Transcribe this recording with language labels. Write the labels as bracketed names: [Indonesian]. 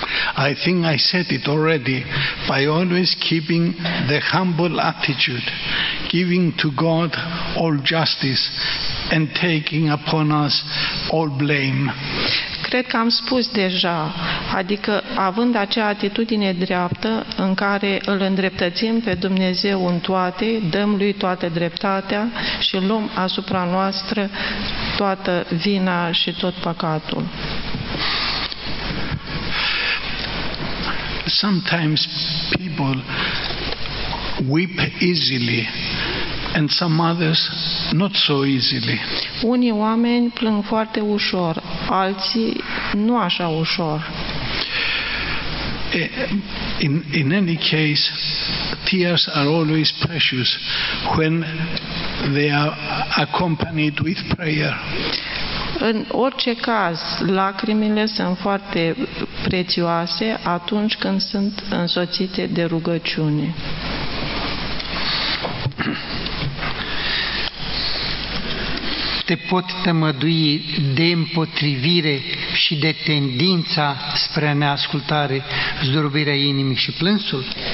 [English] I think I said it already, by always keeping the humble attitude, giving to God all justice and taking upon us all blame. [Romanian] Cred că am spus deja, adică având acea atitudine dreaptă în care îl îndreptățim pe Dumnezeu în toate, dăm lui toată dreptatea și luăm asupra noastră toată vina și tot păcatul. [English] Sometimes people weep easily and some others not so easily. [Romanian] Unii oameni plâng foarte ușor, alții nu așa ușor. [English] In any case, tears are always precious when they are accompanied with prayer. [Romanian] În orice caz, lacrimile sunt foarte prețioase atunci când sunt însoțite de rugăciune. Te pot tămădui de împotrivire și de tendința spre neascultare, zdrobirea inimii și plânsul?